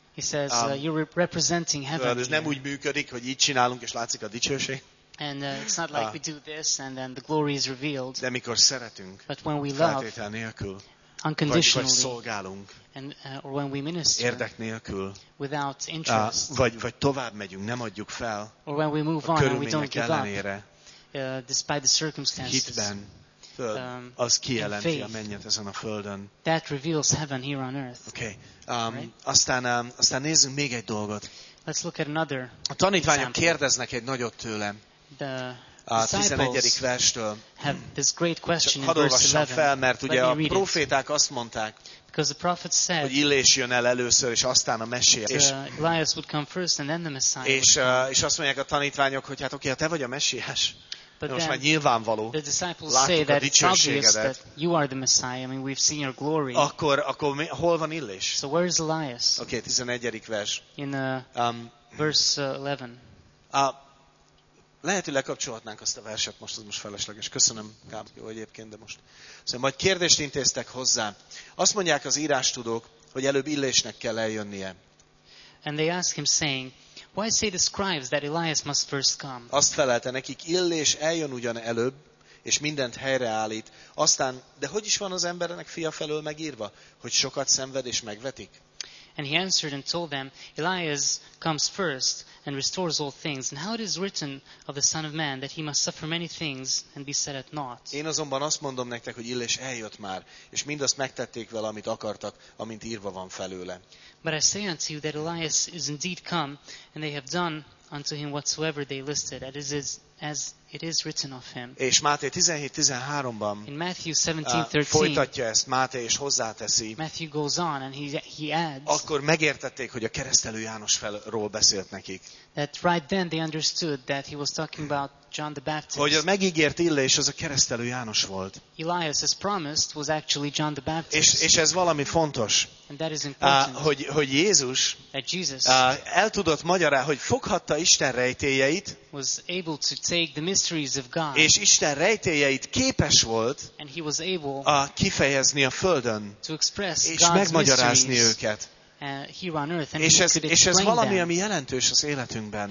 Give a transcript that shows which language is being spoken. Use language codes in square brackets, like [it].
[en] He says you're representing heaven. [hu] Ez nem úgy működik, hogy így csinálunk és látszik a dicsőség. [en] And it's not like we do this and then the glory is revealed. [hu] De mikor szeretünk. [en] But when we love. [hu] Feltétel nélkül. [en] Unconditionally. [hu] Vagy szolgálunk. [en] And or when we minister. [hu] Érdek nélkül. [en] Without interest. [hu] Vagy tovább megyünk, nem adjuk fel. [en] Or when we move on and we don't give [hu] ellenére. [en] Up. Despite the circumstances. [hu] Hitben, az kijelenti a mennyet ezen a földön. [en] That reveals heaven here on earth. Okay. Right? [hu] Aztán nézzünk még egy dolgot. [en] Let's look at another. [hu] A tanítványok kérdeznek egy nagyot tőlem. A 11. verstől. [en] Have this great question in verse 11. [hu] Fel, mert ugye a proféták azt mondták, [en] Because the prophet said, [hu] hogy Illés jön el először, és aztán a Messiás. [en] Elias would come first, and then the Messiah. [hu] És azt mondják a tanítványok, hogy hát oké, ha te vagy a Messiás. But most már nyilvánvaló. [en] The disciples say that it's obvious that you are the Messiah. I mean, we've seen your glory. [hu] Akkor mi, hol van Illés? [en] So where is Elias? [hu] Oké, 11. vers. [en] In verse 11. [hu] Lehet, hogy lekapcsolhatnánk azt a verset, most az most felesleges. Köszönöm, Gábor, jó egyébként, de most. Szóval majd kérdést intéztek hozzá. Azt mondják az írástudók, hogy előbb Illésnek kell eljönnie. [en] And they ask him saying, why say the scribes that Elias must first come? [hu] Azt felelte nekik, Illés eljön ugyan előbb, és mindent helyreállít. Aztán, de hogy is van az embernek fia felől megírva, hogy sokat szenved és megvetik? [en] And he answered and told them, Elias comes first and restores all things. And how it is written of the Son of Man that he must suffer many things and be set at naught. [hu] Én azonban azt mondom nektek, hogy Illés eljött már, és mindazt megtették vele, amit akartak, amint írva van felőle. [en] But I say unto you that Elias is indeed come, and they have done unto him whatsoever they listed, as it is written of him. [hu] És Máté 17:13-ban [en] in Matthew 17:13 [hu] folytatja ezt Máté, és hozzáteszi. [en] Matthew goes on and he adds. [hu] Akkor megértették, hogy a keresztelő Jánosról beszélt nekik. [en] That right then they understood that he was talking about John the Baptist. [hu] Hogy a megígért Illés az a keresztelő János volt. [en] Elias as promised was actually John the Baptist. [hu] És ez valami fontos. [en] And that is important. [hu] Hogy Jézus [en] that Jesus [hu] el tudott magyarázni, hogy foghatta Isten rejtélyeit. [en] Was able to take the mysteries of God. [hu] És Isten rejtélyeit képes volt [en] and he was able [hu] kifejezni a földön. [en] To express [hu] és [en] God's [hu] megmagyarázni [en] mysteries. [hu] Őket. [en] Here on earth, and [hu] és ez valami, [en] them. [hu] Ami jelentős az életünkben.